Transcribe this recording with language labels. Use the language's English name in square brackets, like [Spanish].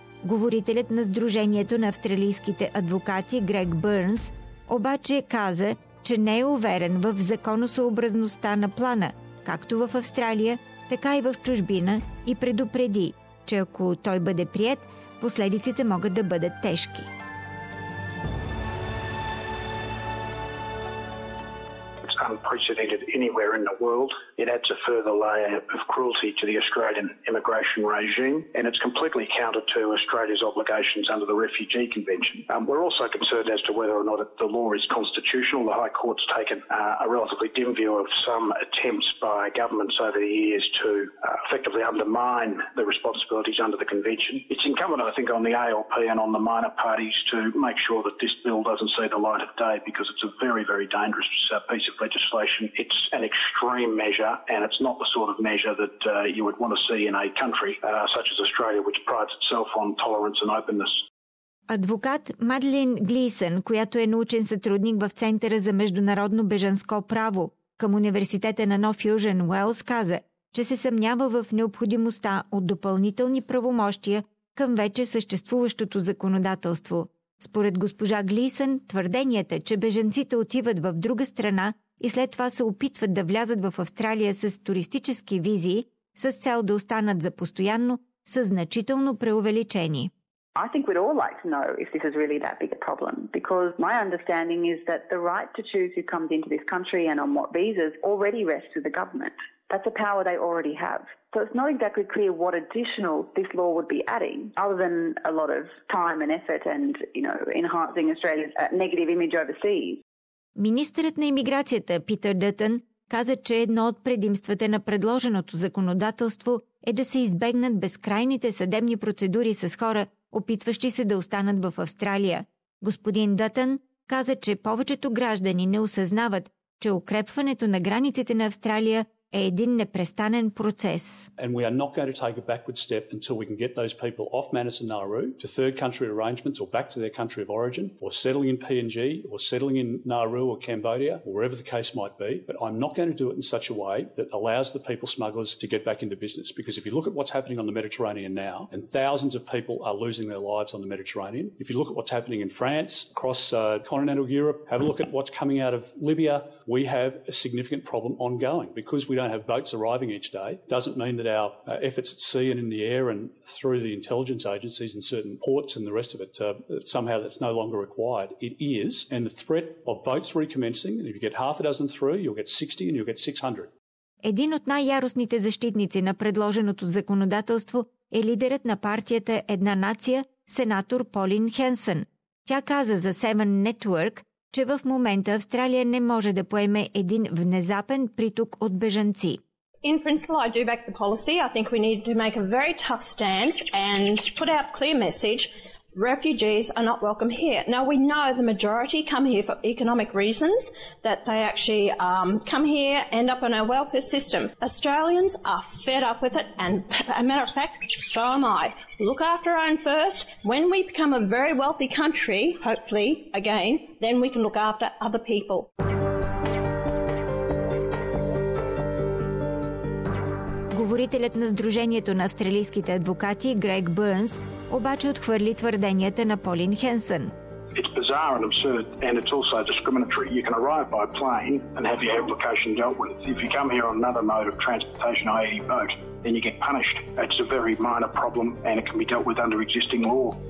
[Bulgarian] Говорителят на Сдружението на австралийските адвокати Грег Бърнс обаче каза, че не е уверен в законосъобразността на плана, както в Австралия, така и в чужбина, и предупреди, че ако той бъде приет, последиците могат да бъдат тежки. [English] Unprecedented anywhere in the world. It adds a further layer of cruelty to the Australian immigration regime, and it's completely counter to Australia's obligations under the Refugee Convention. We're also concerned as to whether or not the law is constitutional. The High Court's taken a relatively dim view of some attempts by governments over the years to effectively undermine the responsibilities under the convention. It's incumbent, I think, on the ALP and on the minor parties to make sure that this bill doesn't see the light of day, because it's a very, very dangerous piece of legislation. It's an extreme measure. And it's not the sort of measure that you would want to see in a country such as Australia, which prides itself on tolerance and openness. [Bulgarian] Адвокат Мадлин Глисън, която е научен сътрудник в Центъра за международно бежанско право към Университета на Нов Южен Уелс, каза, че се съмнява в необходимостта от допълнителни правомощия към вече съществуващото законодателство. Според госпожа Глисън, твърденията, че бежанците отиват в друга страна и след това се опитват да влязат в Австралия с туристически визи, с цел да останат за постоянно, са значително преувеличени. [English] I think we'd all like to know if this is really that big a problem, because my understanding is that the right to choose who comes into this country and on what visas already rests with the government. That's a power they already have. So it's not exactly clear what additional this law would be adding, other than a lot of time and effort and, you know, enhancing Australia's negative image overseas. [Bulgarian] Министърът на имиграцията Питър Дътън каза, че едно от предимствата на предложеното законодателство е да се избегнат безкрайните съдебни процедури с хора, опитващи се да останат в Австралия. Господин Дътън каза, че повечето граждани не осъзнават, че укрепването на границите на Австралия е един непрестанен процес. [English] And we are not going to take a backward step until we can get those people off Manus and Nauru to third country arrangements or back to their country of origin or settling in PNG or settling in Nauru or Cambodia or wherever the case might be, but I'm not going to do it in such a way that allows the people smugglers to get back into business, because if you look at what's happening on the Mediterranean now, and thousands of people are losing their lives on the Mediterranean, if you look at what's happening in France, across continental Europe, have a look at what's coming out of Libya, we have a significant problem ongoing, because we don't have boats arriving each day doesn't mean that our efforts at sea and in the air and through the intelligence agencies in certain ports and the rest of it, somehow that's no longer required. It is, and the threat of boats recommencing, and if you get half a dozen through, you'll get 60 and you'll get 600. [Bulgarian] Един от най-яростните защитници на предложеното законодателство е лидерът на партията Една нация, сенатор Полин Хенсън. Тя каза за Seven Network, че в момента Австралия не може да поеме един внезапен приток от бежанци. [English] In principle, I do back the policy. I think we need to make a very tough stance and put out a clear message. Refugees are not welcome here. Now, we know the majority come here for economic reasons, that they actually come here, end up on our welfare system. Australians are fed up with it, and a matter of fact, so am I. Look after our own first. When we become a very wealthy country, hopefully, again, then we can look after other people. [Bulgarian] Говорителят на Сдружението на австралийските адвокати Грег Бърнс обаче отхвърли твърденията на Полин Хенсън. [English] It's bizarre and absurd, and it's also discriminatory. You can arrive by plane and have your application dealt with. If you come here on another mode of transportation, i.e. boat, then you get punished. It's a very minor problem and it can be dealt with under existing law.